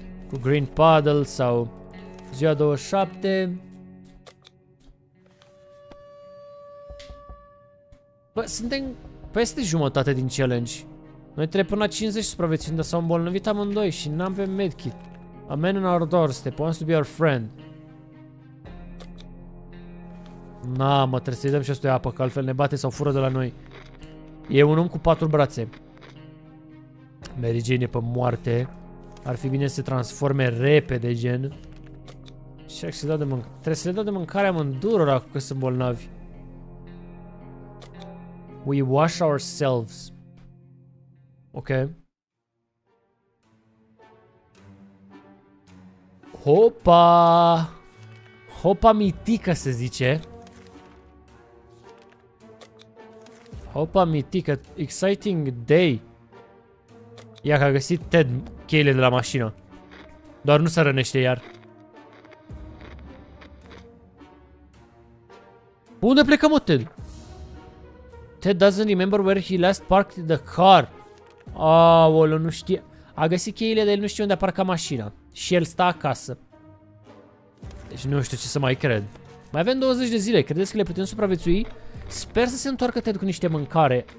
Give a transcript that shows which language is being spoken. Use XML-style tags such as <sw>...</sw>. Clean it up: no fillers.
<ro>Cu Green Puddle sau ziua 27. Bă, suntem peste jumătate din challenge. Noi trebuie până la 50 supraviețuim, dar s-au îmbolnăvit amândoi și n-am pe medkit.</ro> <en>A man in our doorstep wants to be our friend.</en> <ro>Na, mă, trebuie să-i dăm și ăstuia apă, că altfel ne bate sau fură de la noi. E un om cu 4 brațe. Mary Jane e pe moarte. Ar fi bine să se transforme repede, gen. Și trebuie să le dau de mâncare. Trebuie să le dau de mâncare amândurora, că sunt bolnavi.</ro> <en>We wash ourselves. Ok.</en> <ro>Hopa! Hopa mitică, se zice. Hopa mitică.</ro> <en>Exciting day.</en> <ro>Ia că a găsit Ted cheile de la mașină. Doar nu se rănește iar. Unde plecăm, Ted?</ro> <en>Ted doesn't remember where he last parked the car.</en> <ro>Aolo, nu știe. A găsit cheile, dar el nu știe unde a parcat mașina. Și el stă acasă. Deci nu știu ce să mai cred. Mai avem 20 de zile. Credeți că le putem supraviețui? Sper să se întoarcă Ted cu niște mâncare.</ro>